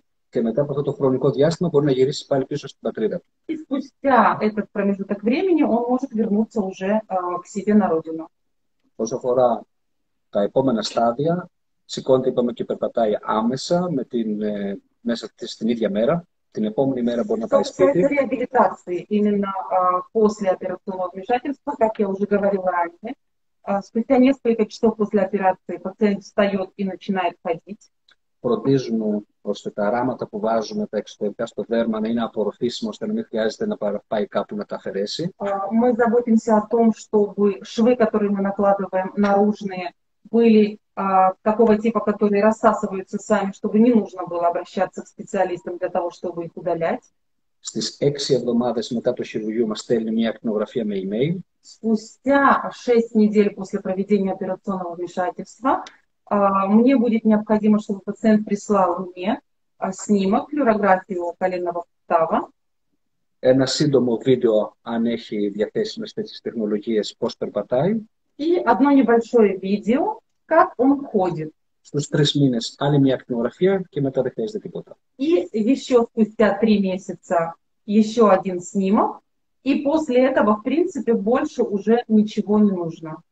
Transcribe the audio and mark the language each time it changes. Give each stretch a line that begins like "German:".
Greek: Και μετά από αυτό το χρονικό διάστημα μπορεί να γυρίσει πάλι πίσω στην πατρίδα του.
Russian: Και спустя этот промежуток времени он может вернуться уже к себе на родину.
Greek: Όσο αφορά τα επόμενα στάδια, σηκώνεται, είπαμε, και περπατάει άμεσα με την, μέσα στην ίδια μέρα. Την επόμενη μέρα μπορεί να πάει σπίτι. Η διαδικασία είναι να
Russian: после оперативного вмешательства, как я уже говорила ранее, спустя несколько часов после операции пациент встает и начинает ходить.
Greek: Προτίζουμε ώστε τα ράματα που βάζουμε τα εξωτερικά στο δέρμα να είναι απορροφήσιμα ώστε να μην χρειάζεται να πάει κάπου να τα αφαιρέσει.
Russian: Мы заботимся о том, чтобы швы, которые мы накладываем наружные, были такого типа, которые рассасываются сами, чтобы не нужно было обращаться к специалистам для того, чтобы их удалять.
Greek: Στις 6 εβδομάδες μετά το χειρουργείο μας στέλνει μια ακτινογραφία με email.
Russian: Спустя 6 недель после проведения операционного вмешательства мне будет необходимо, чтобы пациент прислал мне снимок, плюрографию коленного сустава.
Greek: Ένα σύντομο βίντεο, αν έχει διαθέσιμες τέτοιες τεχνολογίες, πώς περπατάει.
Russian: И одно небольшое видео, как он ходит.
Greek: Στους τρεις μήνες, άλλη μια εκτυμογραφία και μετά δεν χρειάζεται τίποτα.
Russian: И еще спустя три месяца еще один снимок. И после этого, в принципе, больше уже ничего не нужно.